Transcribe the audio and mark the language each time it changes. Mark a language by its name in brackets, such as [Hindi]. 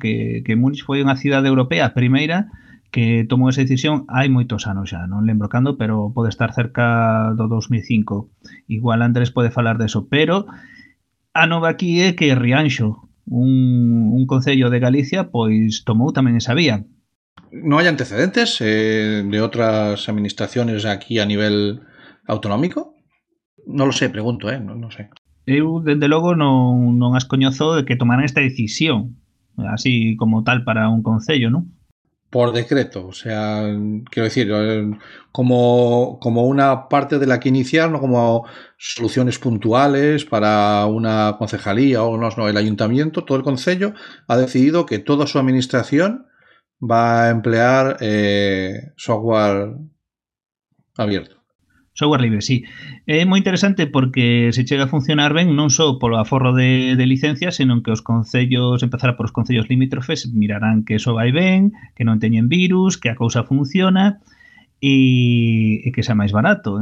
[Galician] Que Múnich foi unha cidade europea primeira que tomou esa decisión hai moitos anos xa, non lembro cando, pero pode estar cerca do 2005. Igual Andrés pode falar de iso, pero a nova aquí é que Rianxo, un concello de Galicia, pois tomou tamén esa vía. [Spanish] No hay antecedentes de otras administraciones aquí a nivel autonómico. No lo sé, pregunto, no, no sé. [Galician] Eu, dende logo, non as coñezo de que tomaran esta decisión, así como tal para un concello, non? [Spanish] Por decreto, o sea, quiero decir, como una parte de la que iniciar, no como soluciones puntuales para una concejalía o no, el ayuntamiento, todo el concello ha decidido que toda su administración va a emplear software abierto. Software libre, sí. [Galician] É moi interesante porque se chega a funcionar ben non só polo aforro de licencias, senón que os concellos, empezará polos concellos limítrofes, mirarán que eso vai ben, que non teñen virus, que a cousa funciona e que sea máis barato.